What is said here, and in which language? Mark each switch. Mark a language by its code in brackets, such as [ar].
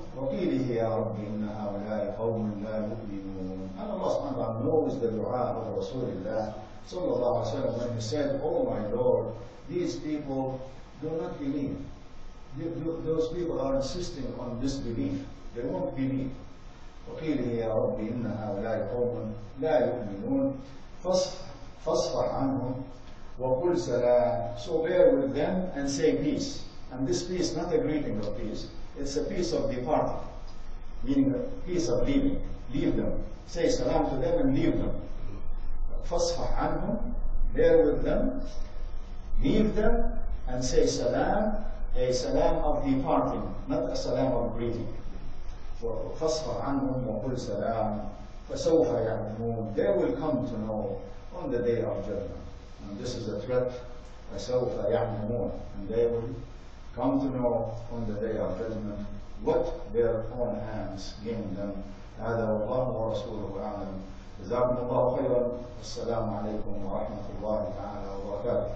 [ar] وَقِيلِهِ يَا رَبِّ إِنَّ هَؤُلَاءِ قَوْمٌ لَا يُؤْمِنُونَ. [en] And Allah subhanahu wa ta'ala knows the dua of Rasulullah sallallahu alayhi wa sallam when he said, Oh my Lord, these people do not believe. Those people are insisting on disbelief. They won't believe. [ar] وقيل يا رب إن هؤلاء قوم لا يؤمنون فاصفح عنهم وقل سلام. [en] So bear with them and say peace. And this peace, not a greeting of peace, it's a peace of departing, meaning a peace of leaving. Leave them. Say salam to them and leave them. [ar] فاصفح عنهم, [en] bear with them, leave them, and say salam, a salam of departing, not a salam of greeting. [ar] فَاصْفَحْ عَنْهُمْ وَقُلْ سَلَامٌ فَسَوْفَ يَعْلَمُونَ. [en] They will come to know on the day of judgment. And this is a threat. [ar] فَسَوْفَ يَعْلَمُونَ. [en] And they will come to know on the day of judgment what their own hands gave them. [ar] هذا والله ورسوله أعلم. جزاكم الله خيرا. السلام عليكم ورحمة الله تعالى وبركاته.